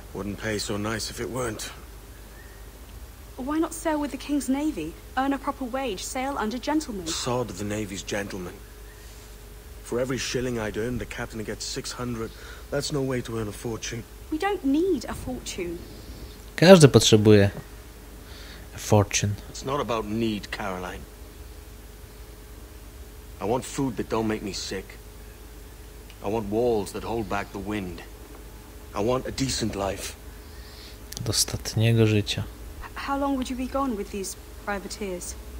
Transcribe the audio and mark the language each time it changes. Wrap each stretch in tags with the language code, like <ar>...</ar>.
<en>Wouldn't pay so nice if it weren't. Why not sail with the King's Navy? Earn a proper wage, sail under gentlemen. Sod the Navy's gentlemen. For every shilling I'd earn, the captain gets 600. That's no way to earn a fortune. We don't need a fortune.</en> <pl>Każdy potrzebuje</pl> <en>a fortune. It's not about need, Caroline. I want food that don't make me sick. I want walls that hold back the wind. I want a decent life.</en> <pl>Dostatniego życia.</pl> <en>How long would you be gone with these privateers?</en>